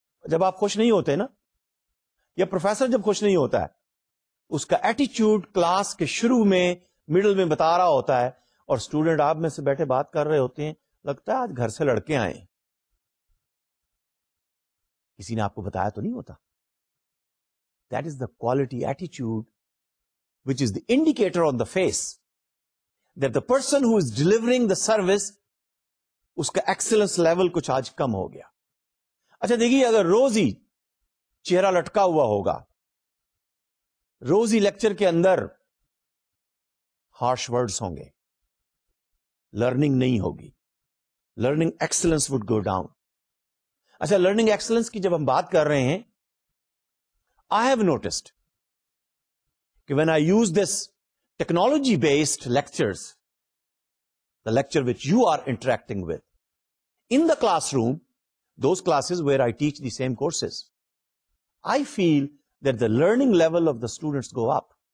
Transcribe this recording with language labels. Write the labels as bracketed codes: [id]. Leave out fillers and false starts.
[ur] جب آپ خوش نہیں ہوتے نا, یا پروفیسر جب خوش نہیں ہوتا ہے, اس کا ایٹیچیوڈ کلاس کے شروع میں مڈل میں بتا رہا ہوتا ہے, اور اسٹوڈنٹ آپ میں سے بیٹھے بات کر رہے ہوتے ہیں, لگتا ہے آج گھر سے لڑکے آئے, کسی نے آپ کو بتایا تو نہیں ہوتا. [en] that is the quality ایٹیچیوڈ which is the indicator on the face that the person who is delivering the service [ur] اس کا ایکسلنس لیول کچھ آج کم ہو گیا. اچھا دیکھیے, اگر روز ہی چہرہ لٹکا ہوا ہوگا, روز ہی لیکچر کے اندر ہارش ورڈز ہوں گے, لرننگ نہیں ہوگی, [en] Learning excellence would go down. [ur] اچھا, لرننگ ایکسلنس کی جب ہم بات کر رہے ہیں, [en] I have noticed کہ when I use this technology based lectures, the lecture which you are interacting with in the classroom, those classes where I teach the same courses, I feel that the learning level of the students go up.